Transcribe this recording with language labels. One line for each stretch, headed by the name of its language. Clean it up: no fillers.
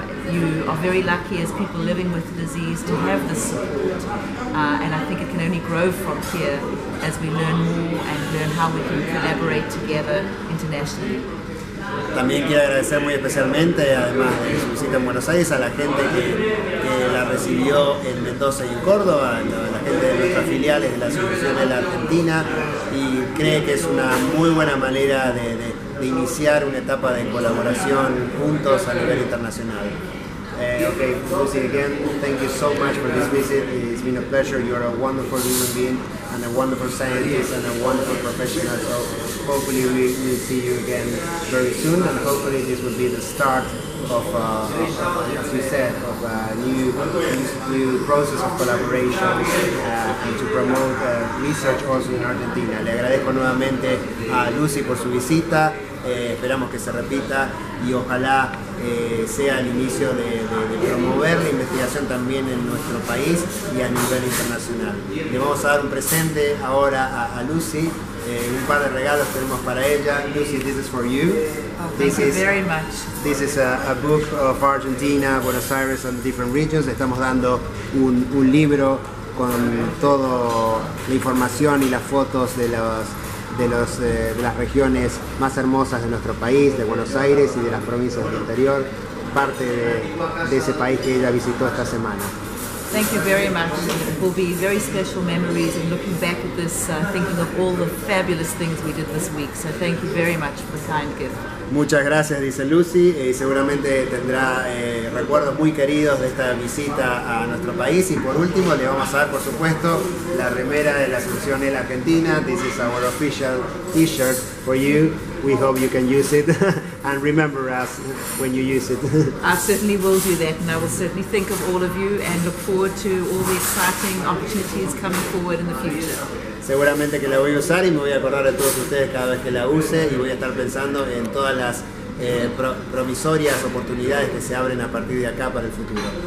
English: You are very lucky as people living with the disease to have this support. And I think it can only grow from here as we learn more and learn how we can collaborate together internationally.
Spanish: También quiero agradecer muy especialmente, además de su visita en Buenos Aires, a la gente que la recibió en Mendoza y en Córdoba, la gente de nuestras filiales de la Asociación de la Argentina, y cree que es una muy buena manera de iniciar una etapa de colaboración juntos a nivel internacional.
English: Okay, Lucy, again, thank you so much for this visit. It's been a pleasure. You're a wonderful human being and a wonderful scientist and a wonderful professional. So hopefully we'll see you again very soon and hopefully this will be the start of, as you said, of a new process of collaboration and to promote research also in Argentina.
Spanish: Le agradezco nuevamente a Lucy por su visita. Esperamos que se repita y ojalá sea el inicio de promover la investigación también en nuestro país y a nivel internacional. Le vamos a dar un presente ahora a Lucy, un par de regalos tenemos para ella.
English: Lucy, this is for you. Thank you very much. This is a book of Argentina, Buenos Aires and different regions.
Spanish: Estamos dando un libro con toda la información y las fotos de las regiones más hermosas de nuestro país, de Buenos Aires y de las provincias del interior, parte de ese país que ella visitó esta semana.
English: Thank you very much. It will be very special memories and looking back at this, thinking of all the fabulous things we did this week. So thank you very much for the kind gift.
Spanish: Muchas gracias, dice Lucy, y seguramente tendrá recuerdos muy queridos de esta visita a nuestro país. Y por último, le vamos a dar, por supuesto, la remera de la Asociación ELA Argentina.
English: This is our official t-shirt for you. We hope you can use it and remember us when you use it. I certainly will do that and I will certainly think of all of you and look forward to all the exciting opportunities coming forward in the future.
Spanish: Seguramente que la voy a usar y me voy a acordar de todos ustedes cada vez que la use y voy a estar pensando en todas las promisorias oportunidades que se abren a partir de acá para el futuro.